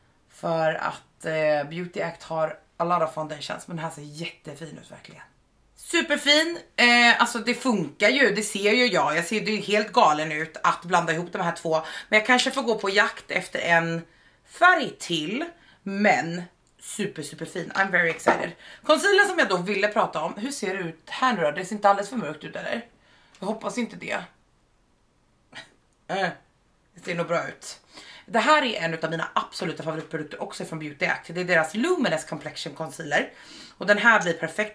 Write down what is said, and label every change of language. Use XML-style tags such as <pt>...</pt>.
<sv>För att Beauty Act har</sv> <en>a lot of foundations.</en> <sv>Men den här ser jättefin ut verkligen. Superfin, alltså det funkar ju, det ser ju jag. Jag ser ju helt galen ut att blanda ihop de här två. Men jag kanske får gå på jakt efter en färg till. Men super super fin,</sv> <en>I'm very excited.</en> <sv>Concealer som jag då ville prata om, hur ser det ut här nu då? Det ser inte alldeles för mörkt ut eller? Jag hoppas inte det. Det ser nog bra ut. Det här är en av mina absoluta favoritprodukter också från Beauty Act. Det är deras Luminous Complexion Concealer. Och den här blir perfekt.</sv>